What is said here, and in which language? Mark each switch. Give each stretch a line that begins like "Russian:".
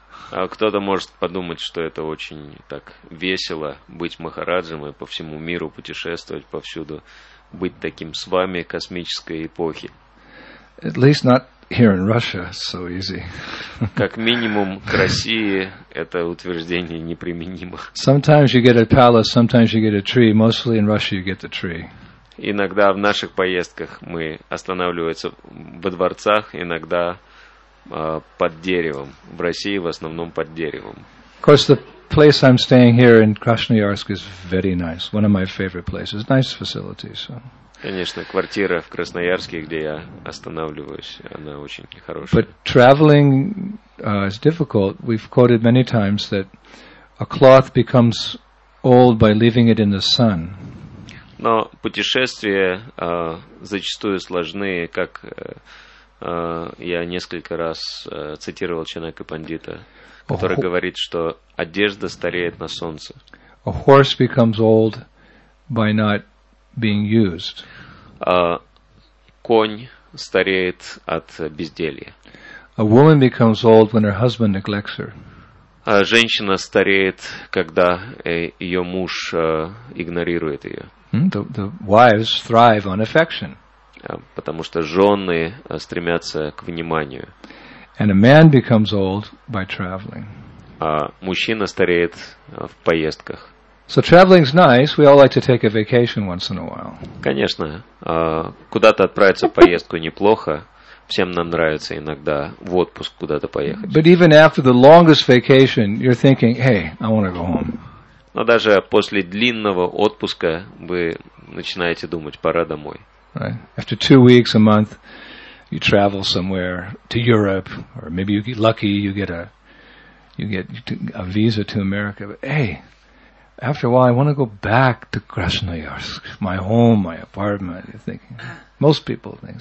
Russian: Кто-то может подумать, что это очень так весело быть Махараджем и по всему миру путешествовать повсюду. быть таким с вами космической эпохи.
English: At least not here in Russia, so easy.
Russian: Как минимум, к России это утверждение неприменимо.
English: Sometimes you get a palace, sometimes you get a tree. Mostly in Russia you get the tree.
Russian: Иногда в наших поездках мы останавливаемся во дворцах, иногда под деревом. В России в основном под деревом.
English: Of course, the place I'm staying here in Krasnoyarsk is very nice. One of my favorite places. Nice facilities. So.
Russian: Конечно, квартира в Красноярске, где я останавливаюсь, она очень хорошая.
English: But traveling is difficult. We've quoted many times that a cloth becomes old by leaving it in the sun.
Russian: Но путешествия зачастую сложны, как я несколько раз цитировал Чанака Пандита, который говорит, что одежда стареет на солнце.
English: A horse becomes old by not being used.
Russian: Конь стареет от безделья.
English: A woman becomes old when her husband neglects her.
Russian: Женщина стареет, когда ее муж игнорирует ее.
English: The wives thrive on affection.
Russian: Потому что жены стремятся к вниманию.
English: And a man becomes old by traveling.
Russian: А мужчина стареет в поездках.
English: So traveling's nice. We all like to take a vacation once in a while.
Russian: Конечно, куда-то отправиться в поездку неплохо. Всем нам нравится иногда в отпуск куда-то поехать.
English: But even after the longest vacation, you're thinking, "Hey, I want to go home."
Russian: Но даже после длинного отпуска вы начинаете думать, пора домой.
English: Right. After 2 weeks, a month, you travel somewhere to Europe, or maybe you get lucky, you get a visa to America. But hey, after a while, I want to go back to Krasnoyarsk, my home, my apartment. You're thinking. Most people think.